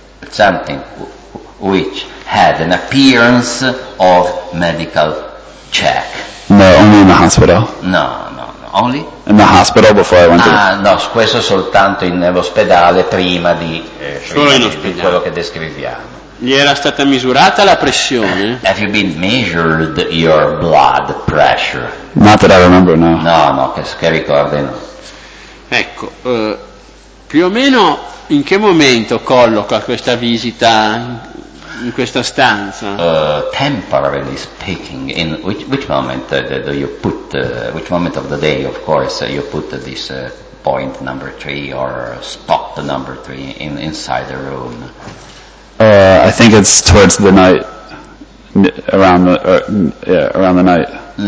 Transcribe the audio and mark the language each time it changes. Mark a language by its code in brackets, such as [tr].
[en] something which had an appearance of medical check. No, only in the hospital. No, only in the hospital before I went. [it] Questo soltanto nell'ospedale prima di quello che descriviamo. Gli era stata misurata la pressione? [en] Have you been measured your blood pressure? Not that I remember, no. [it] No, che ricordi, no. Ecco, più o meno in che momento colloca questa visita in questa stanza? [en] Temporarily speaking, in which moment do you put, which moment of the day, of course, you put this point number 3 or spot number 3 inside the room? I think it's towards the night, around the night.